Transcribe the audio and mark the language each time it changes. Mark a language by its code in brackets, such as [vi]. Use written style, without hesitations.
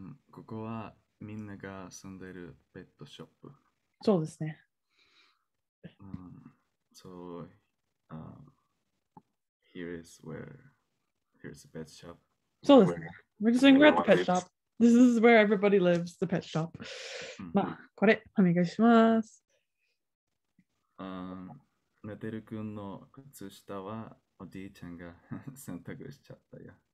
[ja] ここはみんなが住んでいるペットショップ。そうですね。 [en] So, here is where, here's the pet shop. [ja] そうですね。 [en] We're just saying we're at the pet shop. This is where everybody lives, the pet shop. [ja] まあ、これ、お願いします。ネテル君の靴下はおじいちゃんが洗濯しちゃったよ。